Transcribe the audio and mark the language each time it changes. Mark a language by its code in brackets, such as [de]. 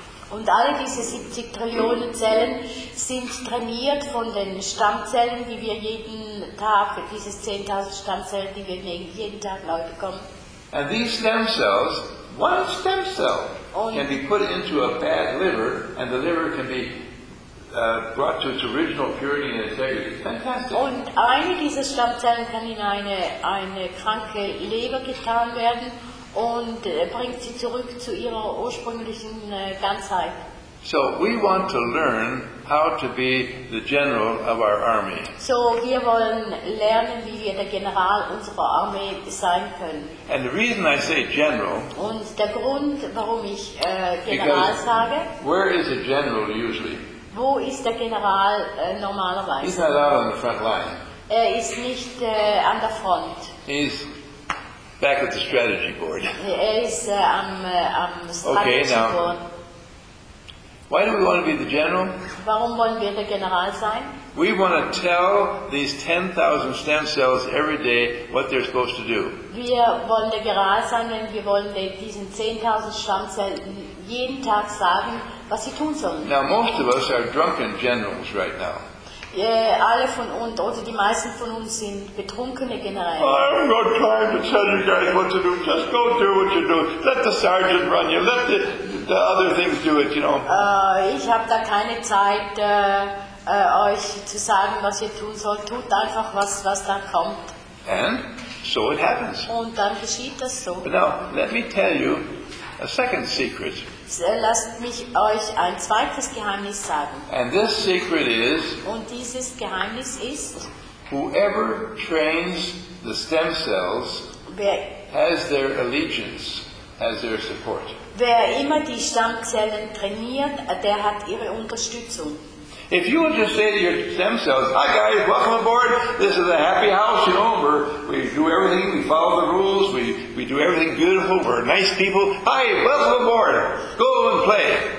[de] Und alle diese 70 Trillionen Zellen sind trainiert von den Stammzellen, die wir jeden Tag, diese 10.000 Stammzellen, die wir jeden Tag neu bekommen. [en] And these stem cells, one stem cell, can be put into a bad liver, and the liver can be brought to its original purity and integrity. Fantastic. [de] Und eine dieser Stammzellen kann in eine kranke Leber getan werden und bringt sie zurück zu ihrer ursprünglichen Ganzheit. [en] So we want to learn how to be the general of our army. [de] So wir wollen lernen, wie wir der General unserer Armee sein können. [en] And the reason I say general. [de] Und der Grund, warum ich General sage. [en] Where is a general usually? [de] Wo ist der General normalerweise? [en] He's not out on the front line. [de] Er ist nicht an der Front. [en] He's back at the strategy board. [de] Er ist am Strategy Board. [en] Okay, now. Why do we want to be the general? [de] Warum wollen wir der General sein? [en] We want to tell these 10,000 stem cells every day what they're supposed to do. [de] Wir wollen der General sein, denn wir wollen diesen 10,000 Stammzellen jeden Tag sagen, was sie tun sollen. [en] Now most of us are drunken generals right now. [de] Alle von uns, oder die meisten von uns, sind betrunkene Generäle. [en] I have no time to tell you guys what to do. Just go do what you do. Let the sergeant run you. Let the other things do it, you know. [de] Ich habe da keine Zeit, euch zu sagen, was ihr tun sollt. Tut einfach, was dann kommt. [en] And so it happens. [de] Und dann geschieht das so. [en] But now, let me tell you a second secret. [de] Lasst mich euch ein zweites Geheimnis sagen. [en] And this secret is, [de] und dieses Geheimnis ist, [en] whoever trains the stem cells has their allegiance, has their support. [de] Wer immer die Stammzellen trainiert, der hat ihre Unterstützung. [en] If you would just say to your stem cells, hi guys, welcome aboard, this is a happy house, you know, we do everything, we follow the rules, we do everything beautiful, we're nice people, hi, welcome aboard, go and play.